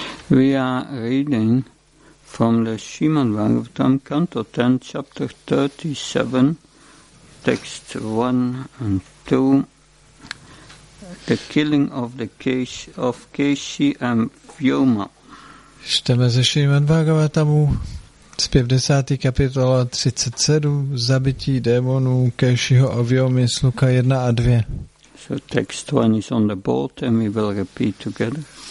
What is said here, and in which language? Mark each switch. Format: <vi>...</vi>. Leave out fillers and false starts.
<en>We are reading from the Srimad Bhagavatam, Canto 10, Chapter 37, Text 1 and 2, the killing of the case of Keshi and Vyoma.</en> <cs>Čteme ze Srimad Bhagavatamu, zpěv 10. kapitola 37, zabití démonů Kešiho a Vyomy, sluka 1 a 2.</cs> <en>So text 1 is on the board and we will repeat together.</en>